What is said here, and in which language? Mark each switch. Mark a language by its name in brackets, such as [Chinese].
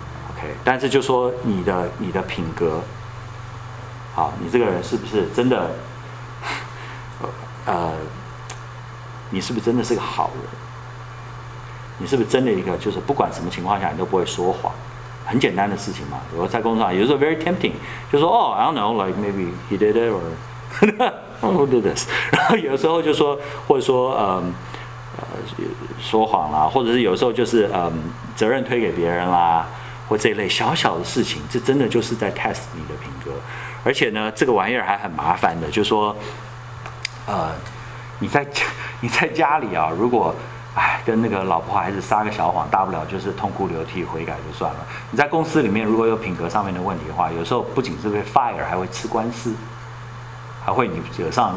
[Chinese] OK， 但是就说你的品格，啊，你这个人是不是真的，你是不是真的是个好人？你是不是真的一个就是不管什么情况下你都不会说谎？很简单的事情嘛。比如在工作上，有时候 [English] very tempting， [Chinese] 就说哦 ， [English] I don't know， like maybe he did it or 。 Who did this？ [Chinese] 然后有时候就说，或者说，说谎啦，或者是有时候就是，责任推给别人啦，或这一类小小的事情，这真的就是在 test 你的品格。而且呢，这个玩意儿还很麻烦的，就是说，你在家里啊，如果跟那个老婆孩子撒个小谎，大不了就是痛哭流涕悔改就算了。你在公司里面如果有品格上面的问题的话，有时候不仅是被 fire， 还会吃官司，还会你惹上。